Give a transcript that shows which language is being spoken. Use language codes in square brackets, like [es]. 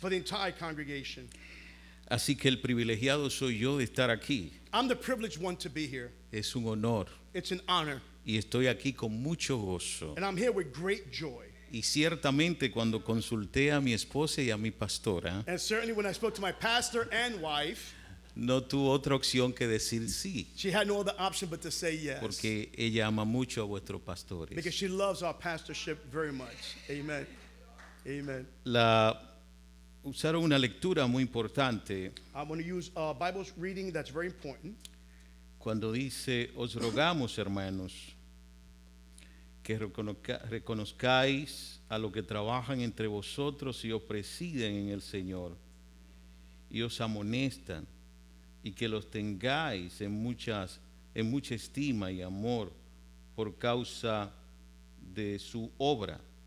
[en] for the entire congregation. [es] Así que el privilegiado soy yo de estar aquí. [en] I'm the privileged one to be here. [es] Es un honor. [en] It's an honor. [es] Y estoy aquí con mucho gozo. [en] And I'm here with great joy. [es] Y ciertamente cuando consulté a mi esposa y a mi pastora, [en] and certainly when I spoke to my pastor and wife, [es] no tuvo otra opción que decir sí. [en] She had no other option but to say yes. [es] Porque ella ama mucho a vuestros pastores. [en] Because she loves our pastorship very much. Amen. Amen. [es] Usaron una lectura muy importante. [en] I'm going to use a Bible reading that's very important. [es] Cuando dice, os rogamos, hermanos, que reconozcáis a los que trabajan entre vosotros y os presiden en el Señor y os amonestan y que los tengáis en mucha estima y amor por causa de su obra.